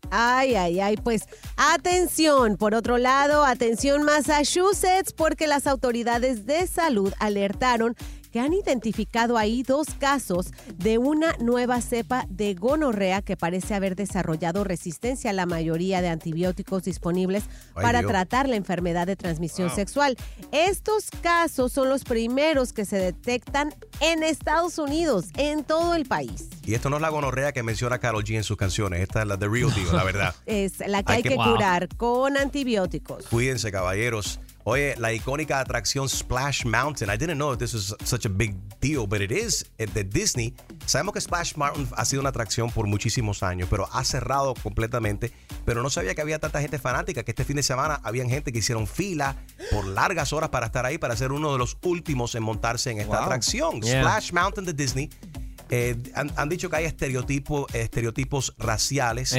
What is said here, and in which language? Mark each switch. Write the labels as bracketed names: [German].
[Spanish] Ay, ay, ay, pues atención, por otro lado, atención Massachusetts, porque las autoridades de salud alertaron que han identificado ahí dos casos de una nueva cepa de gonorrea que parece haber desarrollado resistencia a la mayoría de antibióticos disponibles tratar la enfermedad de transmisión sexual. Estos casos son los primeros que se detectan en Estados Unidos, en todo el país. Y esto no es la gonorrea que menciona Karol G en sus canciones. Esta es la de Real Deal, la verdad. Es la que hay que curar con antibióticos. Cuídense, caballeros. Oye, la icónica atracción Splash Mountain. [English] I didn't know if this was such a big deal, but it is at the Disney. [Spanish] Sabemos que Splash Mountain ha sido una atracción por muchísimos años, pero ha cerrado completamente. Pero no sabía que había tanta gente fanática, que este fin de semana habían gente que hicieron fila por largas horas para estar ahí, para ser uno de los últimos en montarse en esta atracción. Yeah. Splash Mountain de Disney. Han dicho que hay estereotipos raciales.